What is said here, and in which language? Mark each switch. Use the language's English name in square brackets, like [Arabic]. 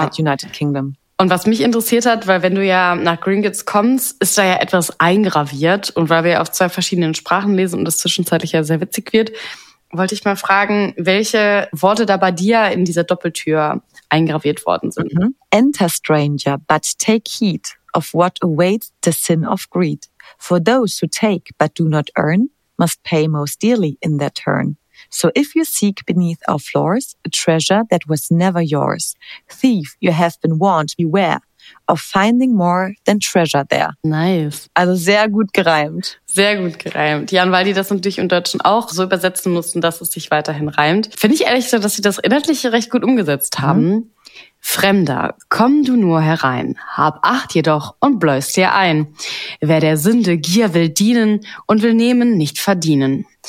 [English] halt United Kingdom. [German] Und was mich interessiert hat, weil wenn du ja nach Gringotts kommst, ist da ja etwas eingraviert und weil wir auf 2 verschiedenen Sprachen lesen und das zwischenzeitlich ja sehr witzig wird, wollte ich mal fragen, welche Worte da bei dir in dieser Doppeltür eingraviert worden sind. Mm-hmm. [English] Enter, stranger, but take heed of what awaits the sin of greed. For those who take but do not earn must pay most dearly in their turn. So if you seek beneath our floors a treasure that was never yours, thief, you have been warned, beware of finding more than treasure there. Nice. [German] Also sehr gut gereimt. Sehr gut gereimt. Ja, und weil die das natürlich im Deutschen auch so übersetzen mussten, dass es sich weiterhin reimt, finde ich ehrlich so, dass sie das Inhaltliche recht gut umgesetzt haben. Mhm. Fremder, komm du nur herein, hab Acht jedoch und bläust dir ein. Wer der Sünde Gier will dienen und will nehmen, nicht verdienen.